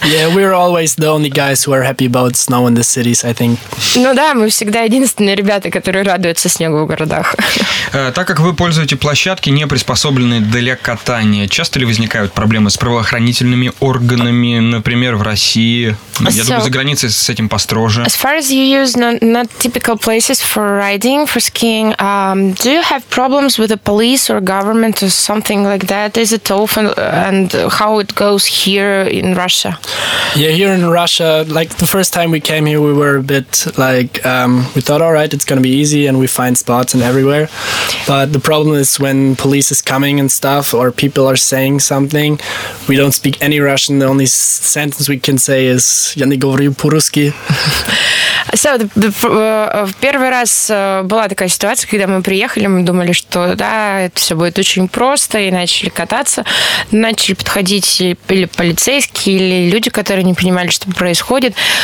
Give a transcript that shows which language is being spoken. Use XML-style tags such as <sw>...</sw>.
<en>Yeah, we're always the only guys who are happy about snow in the cities, I think.</en> <ru>Ну да, мы всегда единственные ребята, которые радуются снегу в городах. Так как вы пользуете площадки, не приспособленные для катания, часто ли возникают проблемы с правоохранительными органами, например, в России? Я думаю, за границей с этим построже.</ru> <en>As far as you use not typical places for riding, for skiing, do you have problems with the police or government or something like that? Is it often, and how it goes here in Russia? Yeah, here in Russia, like the first time we came here, we were a bit like, we thought, all right, it's going to be easy and we find spots and everywhere. But the problem is when police is coming and stuff, or people are saying something, we don't speak any Russian. The only sentence we can say is</en> <ru>"Я не говорю по-русски". So, в первый раз была такая ситуация, когда мы приехали, мы думали, что да, это все будет очень просто, и начали кататься. Начали подходить или полицейские, или люди, которые не понимали, что происходит.</ru>